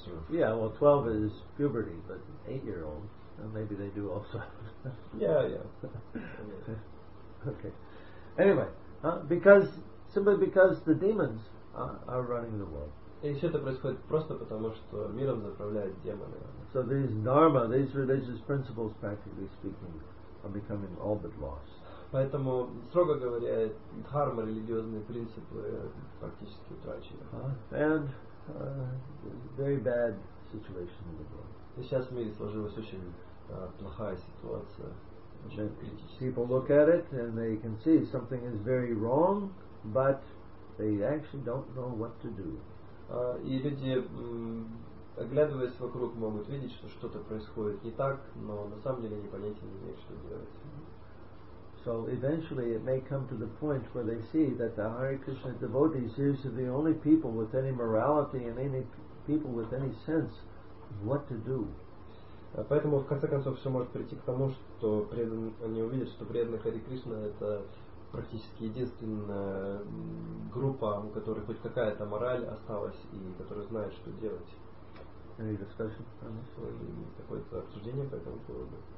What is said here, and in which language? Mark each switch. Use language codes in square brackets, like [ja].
[en] Yeah, well, 12 is puberty, but 8-year-old. Maybe they do also. yeah. Okay. Anyway, because the demons are running the world. [ru] И все это происходит просто потому, что миром заправляют демоны. [en] So these dharma, these religious principles, practically speaking, are becoming all but lost. [ru] Поэтому, строго говоря, дхарма, религиозные принципы практически утрачены. [en] And very bad situation in the world. [ru] И сейчас в мире сложилось очень плохая ситуация. [en] People look at it and they can see something is very wrong, but they actually don't know what to do. [ru] И люди, оглядываясь вокруг, могут видеть, что что-то происходит не так, но на самом деле они понятия не имеют, что делать. [en] So eventually it may come to the point where they see that the Hare Krishna devotees, these are the only people with any morality and any people with any sense of what to do. [ru] Поэтому, в конце концов, все может прийти к тому, что они увидят, что преданные Харе Кришна — это практически единственная группа, у которой хоть какая-то мораль осталась и которая знает, что делать. [en] Any discussion? [ru] Какое-то обсуждение по этому поводу?